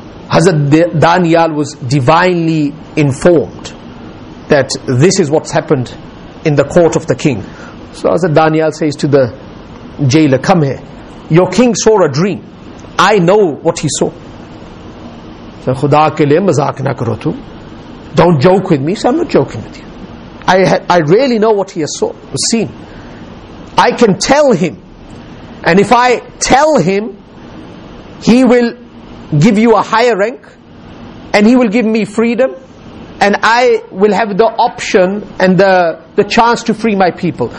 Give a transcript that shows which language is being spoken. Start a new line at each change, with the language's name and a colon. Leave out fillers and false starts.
English: Hazrat Daniel was divinely informed that this is what's happened in the court of the king. So Hazrat Daniel says to the jailer, come here. Your king saw a dream. I know what he saw.
Urdu: خدا کے لیے مذاق نہ کرو تو۔
English: Don't joke with me. So I'm not joking with you. I really know what he has seen. I can tell him. And if I tell him, he will give you a higher rank and he will give me freedom and I will have the option and the chance to free my people.